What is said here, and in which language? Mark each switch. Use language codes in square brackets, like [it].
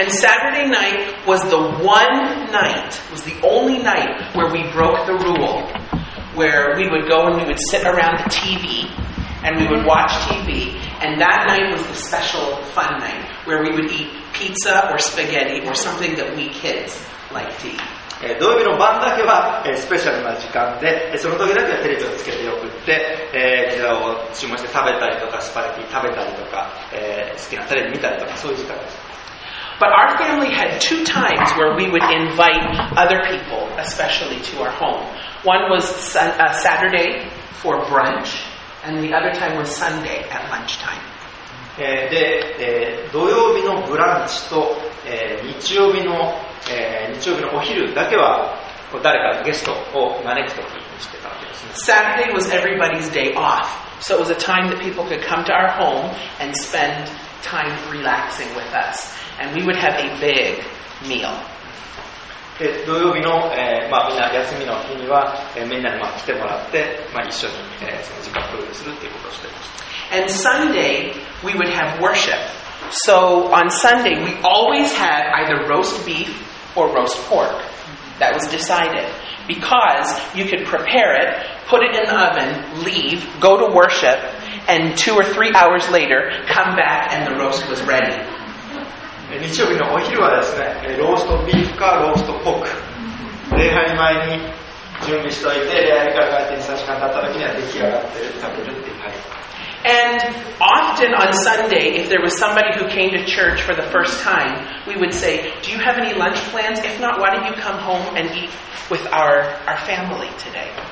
[en] And Saturday night was the one night, was the only night where we broke the rule, where we would go and we would sit around the TV, and we would watch TV, and that night was the special fun night, where we would eat pizza or spaghetti or something that we kids like to eat. [ja] 土曜日の晩だけは、スペシャルな時間で、その時だけはテレビをつけて送って、ピザを注文して食べたりとか、スパゲティ食べたりとか、好きなテレビ見たりとか、そういう時間です。 [en] But our family had two times where we would invite other people, especially to our home. One was Saturday for brunch, and the other time was Sunday at lunchtime. [ja] で、土曜日のブランチと、日曜日の日曜日のお昼だけは誰かゲストを招くときにしてたわけですね。 [en] Saturday was everybody's day off, so it was a time that people could come to our home and spend time relaxing with us, and we would have a big meal. [ja] 土曜日の、まあ、みんな休みの日には、みんなに来てもらって、まあ、一緒に、その時間を共有するっていうことをしてました。 [en] And Sunday we would have worship. So on Sunday, we always had either roast beef or roast pork. That was decided. Because you could prepare it, put it in the oven, leave, go to worship, and two or three hours later, come back and the roast was ready. [ja] 日曜日のお昼はですね、ローストビーフかローストポーク。礼拝前に準備しておいて、礼拝から帰って2、3時間経った時には出来上がって食べるっていう感じ。 [en] And often on Sunday, if there was somebody who came to church for the first time, we would say, do you have any lunch plans? If not, why don't you come home and eat with our family today?